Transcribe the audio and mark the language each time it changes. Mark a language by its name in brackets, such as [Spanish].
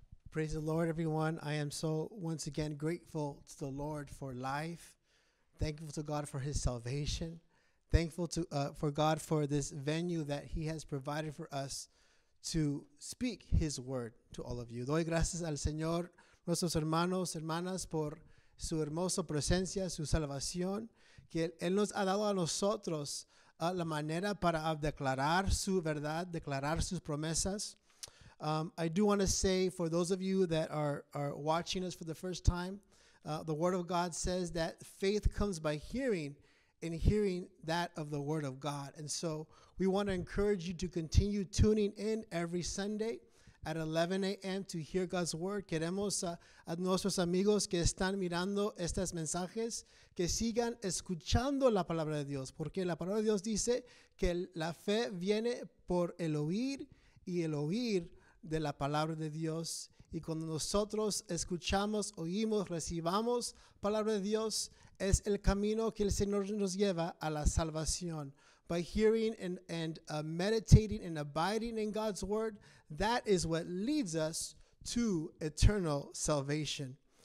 [English] Praise the Lord, everyone. I am so, once again, grateful to the Lord for life. Thankful to God for His salvation. Thankful to for God for this venue that He has provided for us to speak His word to all of you. [Spanish] Doy gracias al Señor, nuestros hermanos, hermanas, por su hermosa presencia, su salvación, que Él nos ha dado a nosotros la manera para declarar su verdad, declarar sus promesas. [English] I do want to say, for those of you that are watching us for the first time, the Word of God says that faith comes by hearing, and hearing that of the Word of God. And so we want to encourage you to continue tuning in every Sunday at 11 a.m. to hear God's word. [Spanish] Queremos a nuestros amigos que están mirando estos mensajes que sigan escuchando la palabra de Dios, porque la palabra de Dios dice que la fe viene por el oír y el oír de la palabra de Dios. Y cuando nosotros escuchamos, oímos, recibamos palabra de Dios, es el camino que el Señor nos lleva a la salvación. [English] By hearing and meditating and abiding in God's word, that is what leads us to eternal salvation.